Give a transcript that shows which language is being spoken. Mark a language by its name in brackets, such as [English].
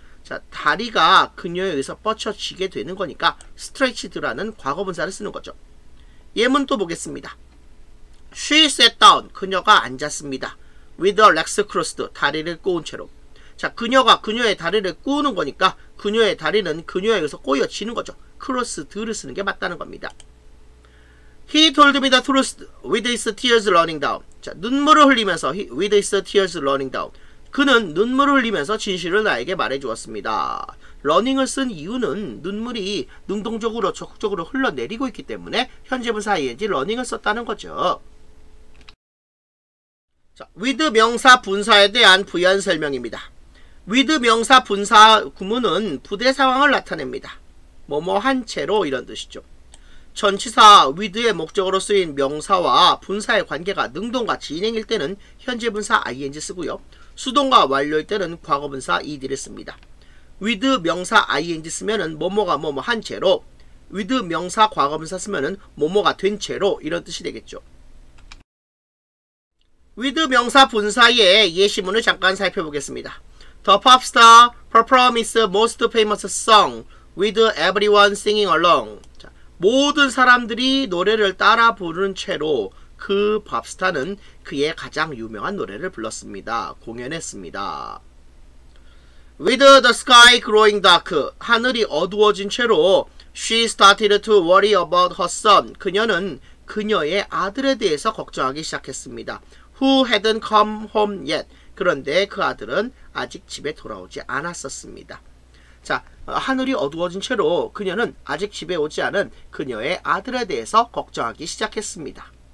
[Korean] 자, 다리가 그녀에 의해서 뻗쳐지게 되는 거니까 stretched라는 과거분사를 쓰는 거죠. 예문 또 보겠습니다. [English] She sat down. [Korean] 그녀가 앉았습니다. [English] With her legs crossed. [Korean] 다리를 꼬은 채로. 자, 그녀가 그녀의 다리를 꼬는 거니까 그녀의 다리는 그녀에 의해서 꼬여지는 거죠. crossed를 쓰는 게 맞다는 겁니다. [English] He told me the truth with his tears running down. [Korean] 자, 눈물을 흘리면서 [English] with his tears running down. [Korean] 그는 눈물을 흘리면서 진실을 나에게 말해주었습니다. running을 쓴 이유는 눈물이 능동적으로 적극적으로 흘러내리고 있기 때문에 현재분사 ing running을 썼다는 거죠. 자, with 명사 분사에 대한 부연 설명입니다. with 명사 분사 구문은 부대 상황을 나타냅니다. 뭐뭐 한 채로 이런 뜻이죠. 전치사 with의 목적으로 쓰인 명사와 분사의 관계가 능동과 진행일 때는 현재분사 ing 쓰고요. 수동과 완료일 때는 과거분사 ed를 씁니다. with 명사 ing 쓰면은 뭐뭐가 뭐뭐 한 채로, with 명사 과거분사 쓰면은 뭐뭐가 된 채로 이런 뜻이 되겠죠. with 명사 분사의 예시문을 잠깐 살펴보겠습니다. [English] The pop star performs his most famous song with everyone singing along. [Korean] 자, 모든 사람들이 노래를 따라 부르는 채로 그 팝스타는 그의 가장 유명한 노래를 불렀습니다. 공연했습니다. [English] With the sky growing dark, [Korean] 하늘이 어두워진 채로 [English] she started to worry about her son. [Korean] 그녀는 그녀의 아들에 대해서 걱정하기 시작했습니다. [English] Who hadn't come home yet? [Korean] 그런데 그 아들은 아직 집에 돌아오지 않았었습니다. 자, 하늘이 어두워진 채로 그녀는 아직 집에 오지 않은 그녀의 아들에 대해서 걱정하기 시작했습니다.